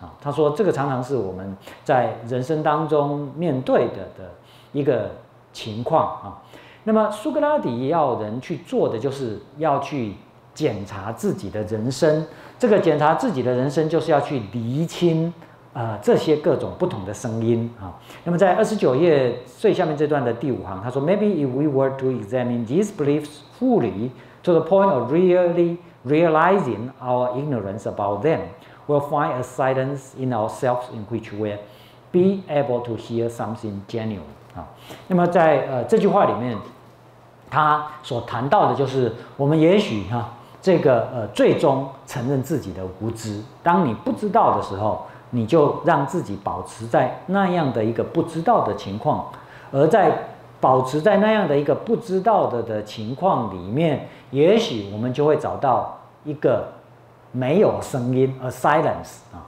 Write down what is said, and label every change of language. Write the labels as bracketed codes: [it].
[zh] 他说这个常常是我们在人生当中面对 的一个情况。那么苏格拉底要人去做的就是要去检查自己的人生，这个检查自己的人生就是要去厘清这些各种不同的声音。那么在二十九页最下面这段的第五行，他说 [en] Maybe if we were to examine these beliefs fully to the point of really realizing our ignorance about them, we'll find a silence in ourselves in which we'll be able to hear something genuine。 [zh] 那么在这句话里面他所谈到的就是我们也许这个最终承认自己的无知，当你不知道的时候你就让自己保持在那样的一个不知道的情况，而在保持在那样的一个不知道 的情况里面，也许我们就会找到一个没有声音 [en] a silence，